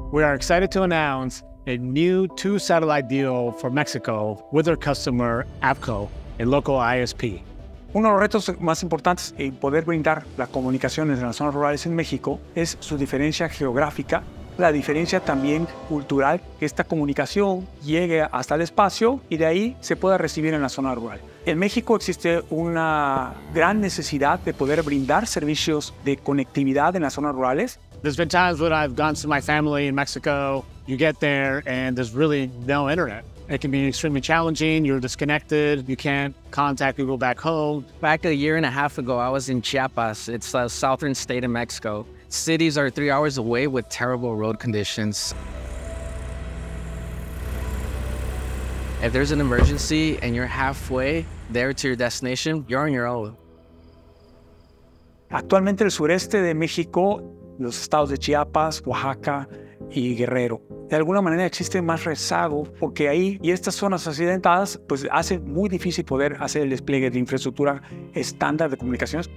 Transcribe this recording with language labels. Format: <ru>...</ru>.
<en>we are excited to announce a new two-satellite deal for Mexico with our customer, APCO, a local ISP.</en> <es>Uno de los retos más importantes en poder brindar las comunicaciones en las zonas rurales en México es su diferencia geográfica, la diferencia también cultural, que esta comunicación llegue hasta el espacio y de ahí se pueda recibir en la zona rural. En México existe una gran necesidad de poder brindar servicios de conectividad en las zonas rurales.</es> <en>There's been times when I've gone to my family in Mexico, you get there and there's really no internet. It can be extremely challenging, you're disconnected, you can't contact people back home. Back a year and a half ago, I was in Chiapas. It's a southern state in Mexico. Cities are 3 hours away with terrible road conditions. If there's an emergency and you're halfway there to your destination, you're on your own.</en> <es>Actualmente el sureste de México, los estados de Chiapas, Oaxaca y Guerrero. De alguna manera existe más rezago porque ahí y estas zonas accidentadas pues hace muy difícil poder hacer el despliegue de infraestructura estándar de comunicaciones.</es>